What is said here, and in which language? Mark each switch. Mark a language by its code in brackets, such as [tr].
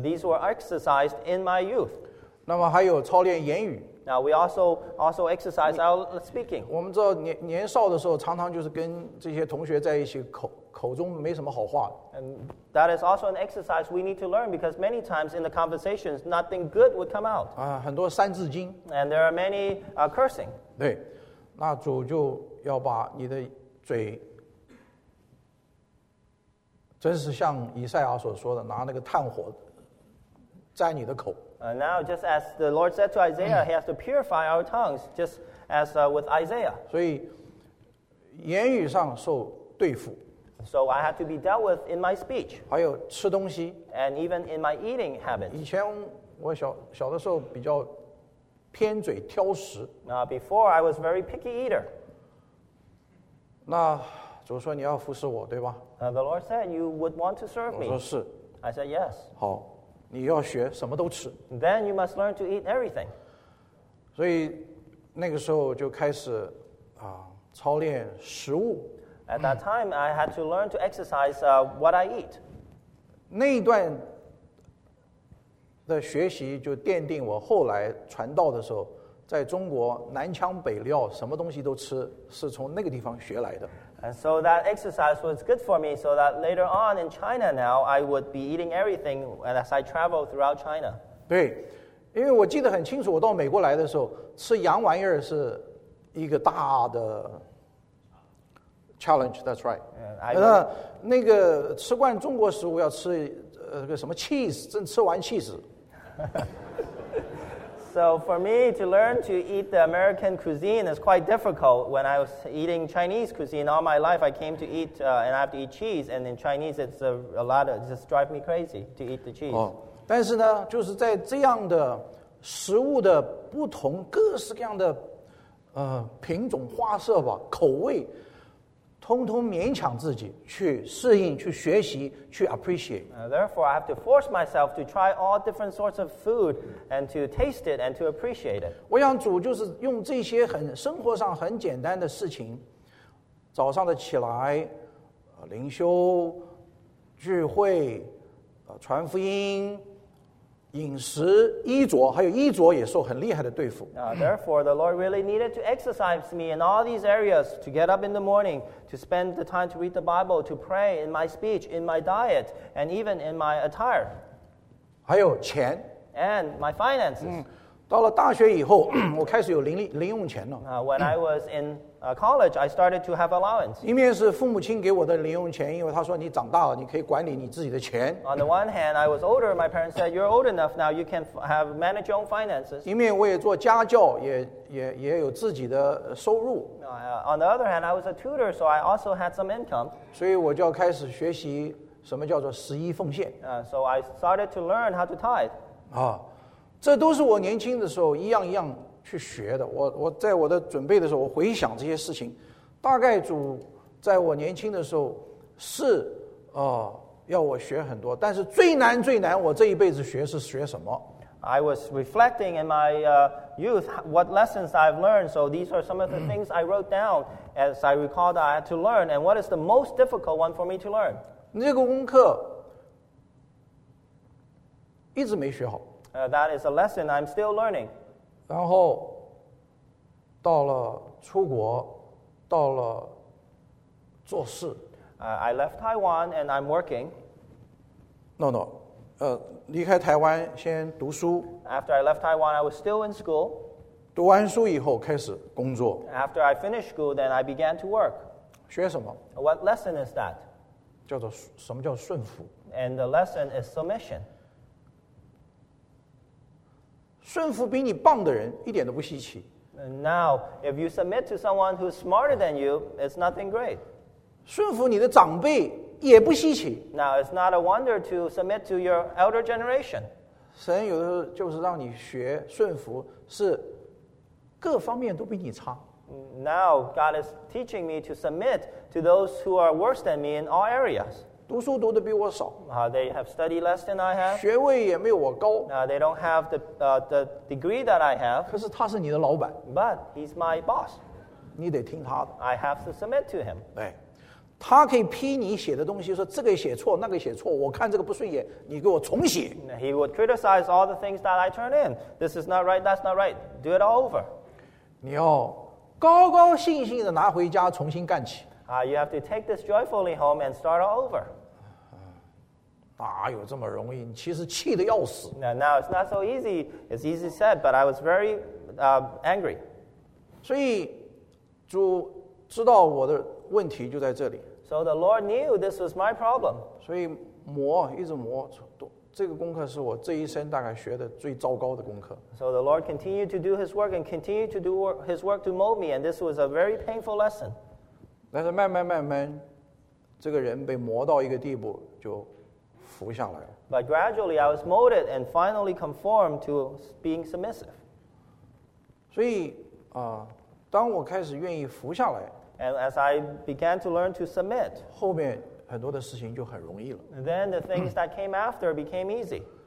[en] These were exercised in my youth. [zh] 那么还有操练言语。 [en] Now we also exercise our speaking. [zh] 我们知道年少的时候常常就是跟这些同学在一起口中没什么好话。 [en] And that is also an exercise we need to learn because many times in the conversations, nothing good would come out. [zh] 很多三字经。 [en] And there are many cursing. [zh] 对，那主就要把你的嘴，真是像以赛亚所说的，拿那个炭火沾你的口。 [en] Now, just as the Lord said to Isaiah, He has to purify our tongues, just as with Isaiah. [zh] 所以言语上受对付。 [en] So I had to be dealt with in my speech. [zh] 还有吃东西。 [en] And even in my eating habits. [zh] 以前我小的时候比较偏嘴挑食。 [en] Before I was very picky eater. [zh] 那主说你要服侍我，对吧 [en] ？The Lord said you would want to serve me. [zh] 我说是。 [en] I said yes. [zh] 好，你要学什么都吃。 [en] Then you must learn to eat everything. [zh] 所以那个时候就开始操练食物。 [en] At that time, I had to learn to exercise what I eat. [zh] 那一段的学习就奠定我后来传道的时候，在中国南腔北调，什么东西都吃，是从那个地方学来的。 [en] And so that exercise was good for me, so that later on in China now, I would be eating everything as I travel throughout China. [zh] 对，因为我记得很清楚，我到美国来的时候，吃洋玩意儿是一个大的。 [en] Challenge, that's right. [zh] 那个吃惯中国食物要吃个什么 cheese, 正吃完 cheese. [en] So for me to learn to eat the American cuisine is quite difficult. When I was eating Chinese cuisine all my life, I came to eat and I have to eat cheese. And in Chinese, it's just drive me crazy to eat the cheese. [zh] 但是呢，就是在这样的食物的不同各式各样的品种花色吧，口味，通通勉强自己去适应，去学习，去 appreciate. [en] Therefore, I have to force myself to try all different sorts of food and to taste it and to appreciate it. [zh] 我想主就是用这些很生活上很简单的事情，早上的起来，灵修，聚会，传福音，饮食，衣着，还有衣着也受很厉害的对付。 [en] Therefore, the Lord really needed to exercise me in all these areas, to get up in the morning, to spend the time to read the Bible, to pray in my speech, in my diet, and even in my attire. [zh] 还有钱。 [en] And my finances. [zh] 到了大学以后，我开始有零用钱了。 [en] When I was in college, I started to have allowance. [zh] 一面是父母亲给我的零用钱，因为他说你长大了，你可以管理你自己的钱。 [en] On the one hand, I was older. My parents said, "You're old enough now. You can have manage your own finances." [zh] 一面我也做家教，也有自己的收入。 [en] On the other hand, I was a tutor, so I also had some income. [zh] 所以我就要开始学习什么叫做十一奉献。 [en] So I started to learn how to tithe. [zh] 这都是我年轻的时候一样一样去学的。我在我的准备的时候，我回想这些事情，大概主在我年轻的时候是要我学很多，但是最难最难，我这一辈子学是学什么？ [en] I was reflecting in my youth what lessons I've learned. So these are some of the things I wrote down as I recall that I had to learn. And what is the most difficult one for me to learn? [zh] 这个功课一直没学好。 [en] That is a lesson I'm still learning. [zh] 然后到了出国，到了做事。 [en] I left Taiwan and I'm working. [zh] No. 离开台湾先读书。 [en] After I left Taiwan, I was still in school. [zh] 读完书以后开始工作。 [en] After I finished school, then I began to work. [zh] 学什么？ [en] What lesson is that? [zh] 叫做什么叫顺服？ [en] And the lesson is submission. [zh] 顺服比你棒的人一点都不稀奇。 [en] Now, if you submit to someone who's smarter than you, it's nothing great. [zh] 顺服你的长辈也不稀奇。 [en] Now, it's not a wonder to submit to your elder generation. [zh] 神有的时候就是让你学顺服，是各方面都比你差。 [en] Now, God is teaching me to submit to those who are worse than me in all areas. [zh] 读书读的比我少。 [en] They have studied less than I have. [zh] 学位也没有我高。 [en] They don't have the degree that I have. [zh] 可是他是你的老板。 [en] But he's my boss. [zh] 你得听他的。 [en] I have to submit to him. [zh] 对，他可以批你写的东西，说这个写错，那个写错，我看这个不顺眼，你给我重写。 [en] He would criticize all the things that I turn in. This is not right. That's not right. Do it all over. [zh] 你要高高兴兴的拿回家重新干起。 [en] You have to take this joyfully home and start all over. [zh] 哪有这么容易？你其实气得要死。 [en] Now it's not so easy. It's easy said, but I was very angry. [zh] 所以主知道我的问题就在这里。 [en] So the Lord knew this was my problem. [zh] 所以磨，一直磨，这个功课是我这一生大概学的最糟糕的功课。 [en] So the Lord continued to do His work and continued to do His work to mold me, and this was a very painful lesson. [zh] 但是慢慢慢慢，这个人被磨到一个地步，就服下来了。 [en] But gradually I was molded and finally conformed to being submissive. [zh] 所以当我开始愿意服下来 [en] ，and as I began to learn to submit， [zh] 后面很多的事情就很容易了。 [en] Then the things that came after became easy.